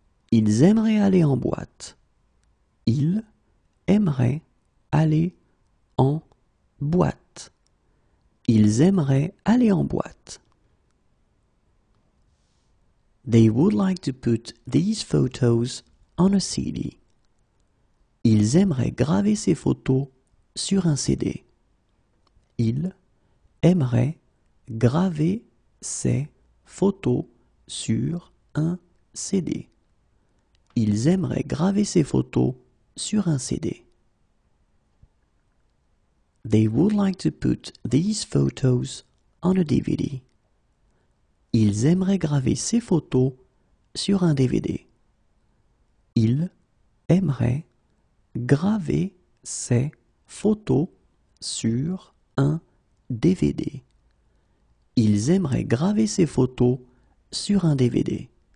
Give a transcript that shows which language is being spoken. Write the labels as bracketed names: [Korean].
[French] Ils aimeraient aller en boîte. Ils aimeraient aller en boîte. Ils aimeraient aller en boîte. [English] They would like to put these photos on a CD. [French] Ils aimeraient graver ces photos sur un CD. Ils aimeraient graver ces photos sur un CD. Ils aimeraient graver ces photos sur un CD. [English] They would like to put these photos on a DVD. [French] Ils aimeraient graver ces photos sur un DVD. Ils aimeraient graver ces photos sur un DVD. Ils aimeraient graver ces photos sur un DVD.